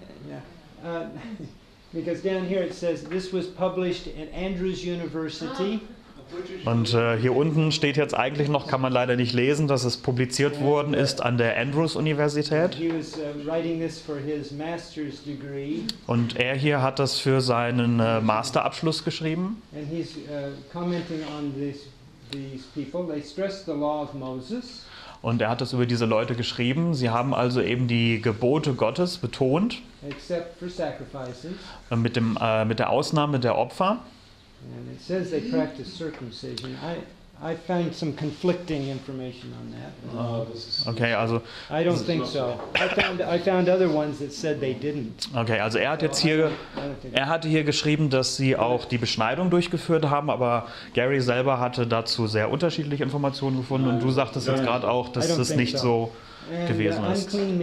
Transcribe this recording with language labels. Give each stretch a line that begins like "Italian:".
English: Yeah. Because down here it says this was published at Andrews University.
German: Und hier unten steht jetzt eigentlich noch, kann man leider nicht lesen, dass es publiziert worden ist an der Andrews Universität.
English: He was writing this for his master's degree.
German: Und er hier hat das für seinen Masterabschluss geschrieben.
English: And he's commenting on these people. They stress the law of Moses.
German: Und er hat das über diese Leute geschrieben. Sie haben also eben die Gebote Gottes betont.
English: Except for sacrifices.
German: Mit der Ausnahme der Opfer.
English: And it says they practice circumcision. I find some conflicting information on that.
German: Okay, also
English: I don't think so. I found other ones that said they didn't.
German: Okay, also er hat jetzt hier er hatte hier geschrieben, dass sie auch die Beschneidung durchgeführt haben, aber Gary selber hatte dazu sehr unterschiedliche Informationen gefunden und du sagtest jetzt gerade auch, dass es nicht so gewesen ist.